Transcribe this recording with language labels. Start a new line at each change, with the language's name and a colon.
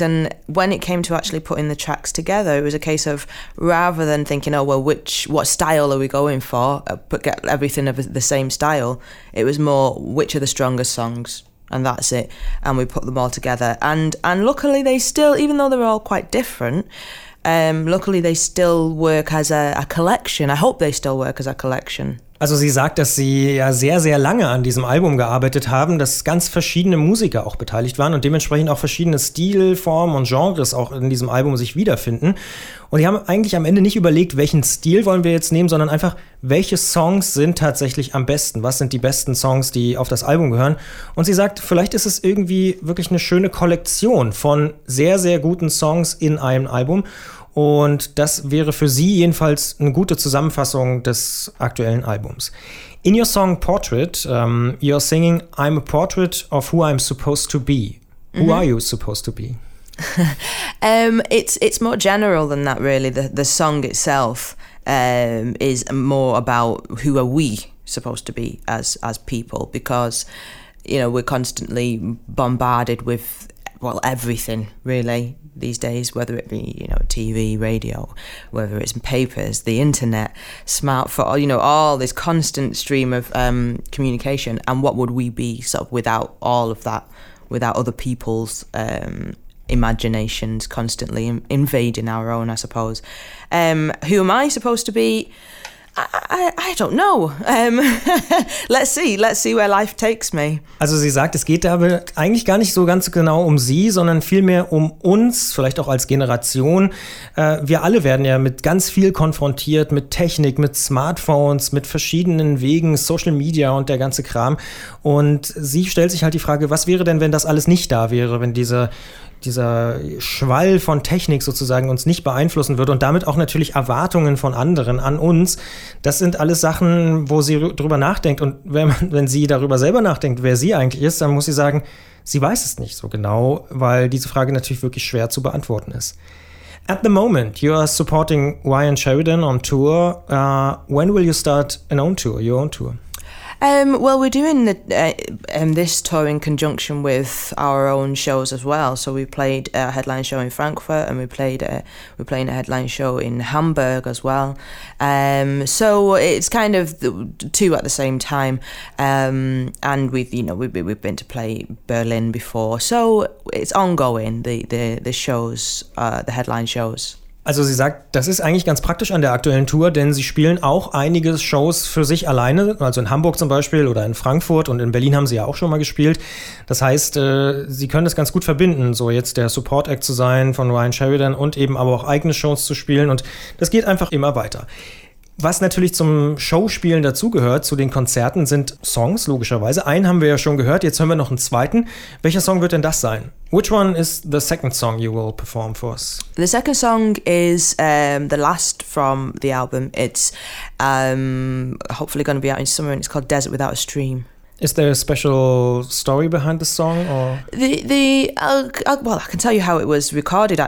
English: And when it came to actually putting the tracks together, it was a case of rather than thinking, oh, well, what style are we going for, but get everything of the same style, it was more which are the strongest songs and that's it, and we put them all together. And luckily they still, even though they're all quite different, luckily they still work as a collection. I hope they still work as a collection.
German: Also sie sagt, dass sie ja sehr, sehr lange an diesem Album gearbeitet haben, dass ganz verschiedene Musiker auch beteiligt waren und dementsprechend auch verschiedene Stil, Formen und Genres auch in diesem Album sich wiederfinden. Und sie haben eigentlich am Ende nicht überlegt, welchen Stil wollen wir jetzt nehmen, sondern einfach, welche Songs sind tatsächlich am besten? Was sind die besten Songs, die auf das Album gehören? Und sie sagt, vielleicht ist es irgendwie wirklich eine schöne Kollektion von sehr, sehr guten Songs in einem Album. Und das wäre für sie jedenfalls eine gute Zusammenfassung des aktuellen Albums.
English: In your song Portrait, you're singing, I'm a portrait of who I'm supposed to be. Mm-hmm. Who are you supposed to be? it's more general than that, really. The song itself is more about who are we supposed to be as people, because, you know, we're constantly bombarded with, well, everything, really, these days, whether it be, you know, TV, radio, whether it's papers, the internet, smartphone, you know, all this constant stream of communication. And what would we be sort of without all of that, without other people's imaginations constantly invading our own, I suppose. Who am I supposed to be? I don't know. Let's see where life takes me.
German: Also sie sagt, es geht aber eigentlich gar nicht so ganz genau um sie, sondern vielmehr um uns, vielleicht auch als Generation. Wir alle werden ja mit ganz viel konfrontiert, mit Technik, mit Smartphones, mit verschiedenen Wegen, Social Media und der ganze Kram. Und sie stellt sich halt die Frage, was wäre denn, wenn das alles nicht da wäre, wenn dieser Schwall von Technik sozusagen uns nicht beeinflussen würde und damit auch natürlich Erwartungen von anderen an uns. Das sind alles Sachen, wo sie drüber nachdenkt. Und wenn sie darüber selber nachdenkt, wer sie eigentlich ist, dann muss sie sagen, sie weiß es nicht so genau, weil diese Frage natürlich wirklich schwer zu beantworten ist.
English: At the moment, you are supporting Ryan Sheridan on tour. When will you start an own tour, your own tour? Well, we're doing this tour in conjunction with our own shows as well. So we played a headline show in Frankfurt, and we're playing a headline show in Hamburg as well. So it's kind of two at the same time. And we've been to play Berlin before. So it's ongoing, the shows, the headline shows.
German: Also sie sagt, das ist eigentlich ganz praktisch an der aktuellen Tour, denn sie spielen auch einige Shows für sich alleine, also in Hamburg zum Beispiel oder in Frankfurt, und in Berlin haben sie ja auch schon mal gespielt. Das heißt, sie können das ganz gut verbinden, so jetzt der Support-Act zu sein von Ryan Sheridan und eben aber auch eigene Shows zu spielen, und das geht einfach immer weiter. Was natürlich zum Showspielen dazugehört, zu den Konzerten, sind Songs, logischerweise. Einen haben wir ja schon gehört, jetzt hören wir noch einen zweiten. Welcher Song wird denn das sein?
English: Which one is the second song you will perform for us? The second song is the last from the album. It's hopefully going to be out in summer, and it's called Desert Without a Stream. Is there a special story behind the song, or well, I can tell you how it was recorded.